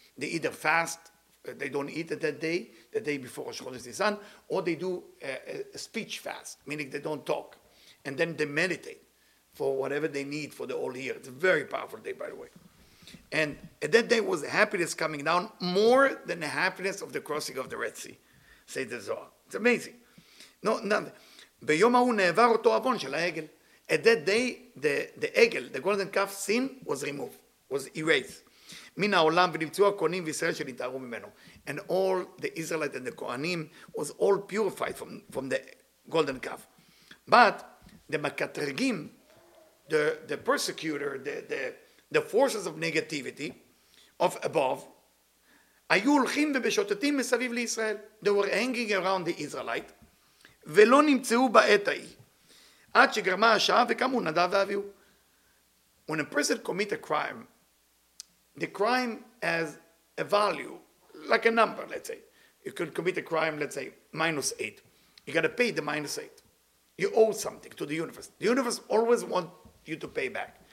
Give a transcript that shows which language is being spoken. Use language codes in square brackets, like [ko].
[en] They either fast, they don't eat at that day, the day before Rosh Chodesh Nisan, or they do a speech fast, meaning they don't talk. And then they meditate for whatever they need for the whole year. It's a very powerful day, by the way. And that day was happiness coming down more than the happiness of the crossing of the Red Sea, say the Zohar. It's amazing. [he] No, ביום ההוא נעבר אותו עוון של העגל. [en] At that day, the egel, the golden calf sin was removed, was erased. [he] מן העולם ונמצאו הכהנים וישראל שנתארו ממנו. [en] And all the Israelites and the Kohanim was all purified from the golden calf. But the makatregim, the persecutor, the forces of negativity of above, [he] היו הולכים ובשוטטים מסביב לישראל. [en] They were hanging around the Israelites. [he] ולא נמצאו בעת ההיא. עד שגרמה השעה וקמו נדב ואביהו. [en] When a person commit a crime, the crime has a value, like a number, let's say. You could commit a crime, let's say, -8. You got to pay the -8. You owe something to the universe. The universe always wants you to pay back.